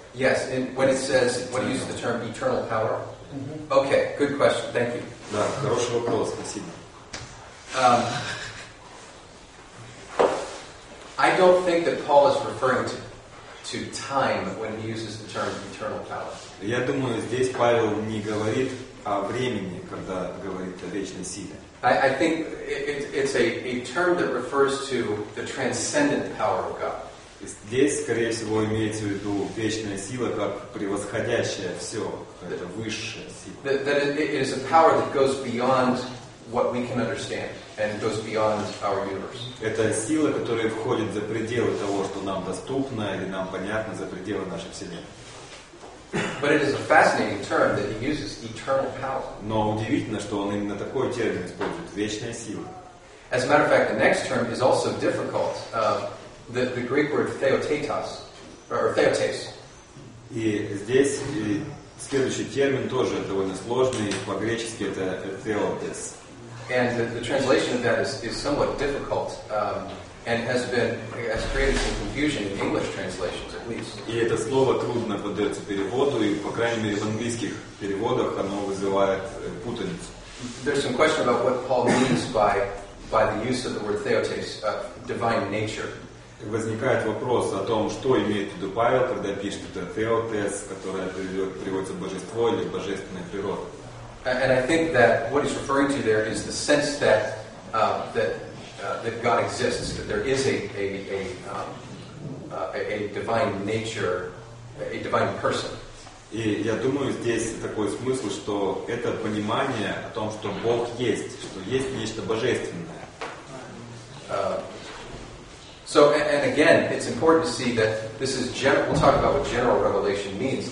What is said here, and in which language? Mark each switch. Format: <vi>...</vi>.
<en>Yes, and when it says, when it uses the term eternal power. Mm-hmm. Okay, good question. Thank you.</en> <ru>Да, хороший вопрос. Спасибо.</ru> <en>I don't think that Paul is referring to time when he uses the term eternal power.</en> <ru>Я думаю, здесь Павел не говорит о времени, когда говорит о вечной силе.</ru> <en>I think it's a term that refers to the transcendent power of God.</en> <ru>Здесь, скорее всего, имеется в виду вечная сила как превосходящая все, это высшая сила.</ru> <en>That it is a power that goes beyond what we can understand and goes beyond our universe.</en> <ru>Это сила, которая входит за пределы того, что нам доступно или нам понятно, за пределы нашей вселенной.</ru> <en>But it is a fascinating term that he uses, eternal power.</en> <ru>Но удивительно, что он именно такой термин использует, вечная сила.</ru> <en>As a matter of fact, the next term is also difficult. The Greek word theotetos, or theotes.</en> <ru>И здесь следующий термин тоже довольно сложный, по-гречески это theotes.</ru> <en>And the translation of that is somewhat difficult. And has created some confusion in English translations, at least.</en> <ru>И это слово трудно поддается переводу, и по крайней мере в английских переводах оно вызывает путаницу.</ru> <en>There's some question about what Paul means by the use of the word theotes, divine nature.</en> <ru>Возникает вопрос о том, что имеет в виду Павел, когда пишет это theotes, которое переводится божество или божественная природа.</ru> <en>And I think that what he's referring to there is the sense that God exists, that there is a divine nature, a divine person.</en> <ru>И я думаю, здесь такой смысл, что это понимание о том, что Бог есть, что есть нечто божественное.</ru> <en>So, and again, it's important to see that this is general, we'll talk about what general revelation means.</en>